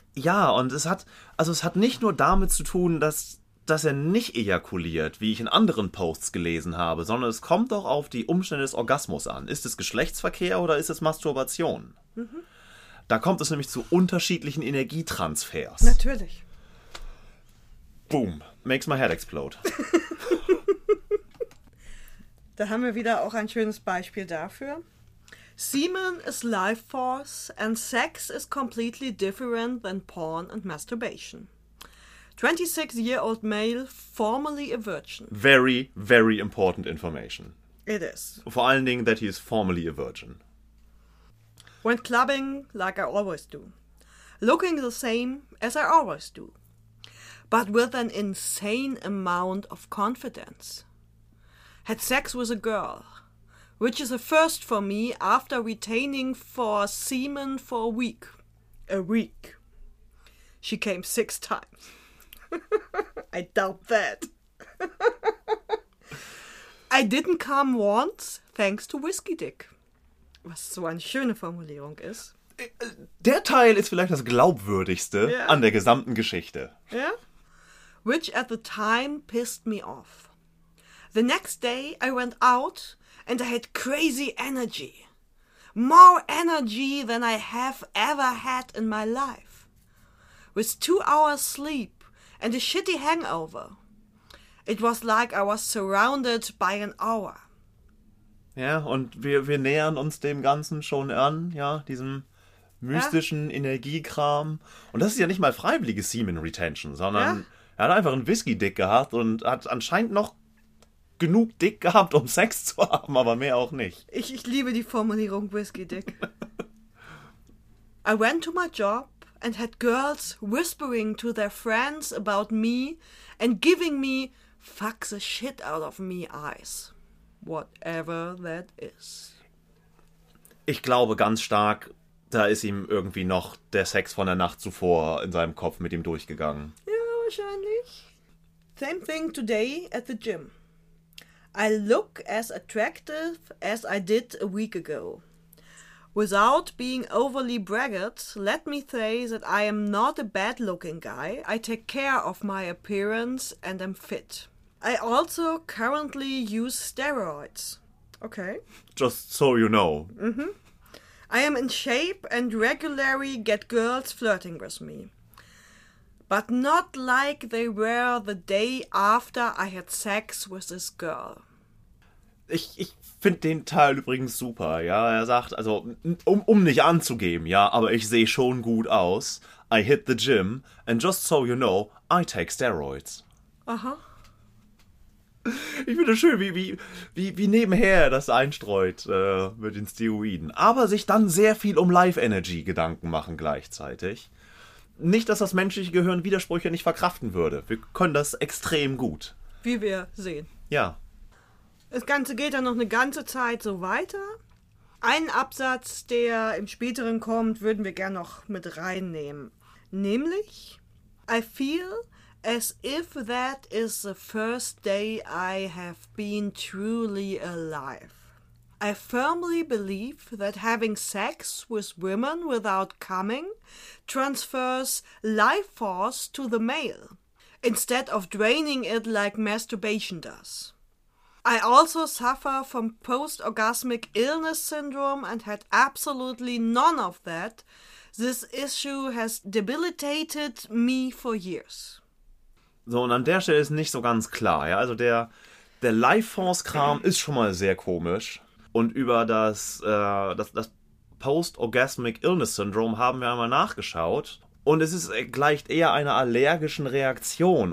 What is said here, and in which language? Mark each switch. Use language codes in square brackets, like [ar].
[de] Ja, und es hat nicht nur damit zu tun, dass er nicht ejakuliert, wie ich in anderen Posts gelesen habe, sondern es kommt auch auf die Umstände des Orgasmus an. Ist es Geschlechtsverkehr oder ist es Masturbation? Da kommt es nämlich zu unterschiedlichen Energietransfers. Natürlich. [en] Boom, makes my head explode. [de] Da haben wir wieder auch ein schönes Beispiel dafür. [en] Semen is life force and sex is completely different than porn and masturbation. 26-year-old male, formerly a virgin. Very, very important information. It is. [de] Vor allen Dingen, [en] that he is formally a virgin. Went clubbing like I always do. Looking the same as I always do. But with an insane amount of confidence. Had sex with a girl. which is a first for me after retaining for semen for a week. A week. She came 6 times. I doubt that. I didn't come once, thanks to Whiskey Dick. [de] Was so eine schöne Formulierung ist. Der Teil ist vielleicht das glaubwürdigste an der gesamten Geschichte. [en] Yeah. Which at the time pissed me off. The next day I went out and I had crazy energy. More energy than I have ever had in my life. With 2 hours sleep and a shitty hangover. It was like I was surrounded by an aura. [de] Ja, und wir nähern uns dem Ganzen schon an, ja, diesem mystischen Energiekram. Und das ist ja nicht mal freiwillige Semen Retention, sondern er hat einfach einen Whisky-Dick gehabt und hat anscheinend noch genug Dick gehabt, um Sex zu haben, aber mehr auch nicht. Ich liebe die Formulierung Whisky-Dick. [en] I went to my job and had girls whispering to their friends about me and giving me fuck the shit out of me eyes. Whatever that is. [de] Ich glaube ganz stark, da ist ihm irgendwie noch der Sex von der Nacht zuvor in seinem Kopf mit ihm durchgegangen. Ja, wahrscheinlich. [en] Same thing today at the gym. I look as attractive as I did a week ago. Without being overly braggart, let me say that I am not a bad-looking guy. I take care of my appearance and am fit. I also currently use steroids. Okay. Just so you know. Mm-hmm. I am in shape and regularly get girls flirting with me. But not like they were the day after I had sex with this girl. [de] Ich finde den Teil übrigens super, ja. Er sagt, also, um nicht anzugeben, ja, aber ich sehe schon gut aus. [en] I hit the gym and just so you know, I take steroids. Aha. [de] Ich finde schön, wie nebenher das einstreut mit den Steroiden. Aber sich dann sehr viel um Life-Energy Gedanken machen gleichzeitig. Nicht, dass das menschliche Gehirn Widersprüche nicht verkraften würde. Wir können das extrem gut. Wie wir sehen. Ja. Das Ganze geht dann noch eine ganze Zeit so weiter. Einen Absatz, der im Späteren kommt, würden wir gerne noch mit reinnehmen. [en] Nämlich, I feel as if that is the first day I have been truly alive. I firmly believe that having sex with women without coming transfers life force to the male, instead of draining it like masturbation does. I also suffer from post-orgasmic illness syndrome and had absolutely none of that. This issue has debilitated me for years. [de] So, und an der Stelle ist nicht so ganz klar. Ja? Also der Life-Force-Kram ist schon mal sehr komisch. Und über das Post-Orgasmic Illness-Syndrom haben wir einmal nachgeschaut. Und es ist gleicht eher einer allergischen Reaktion.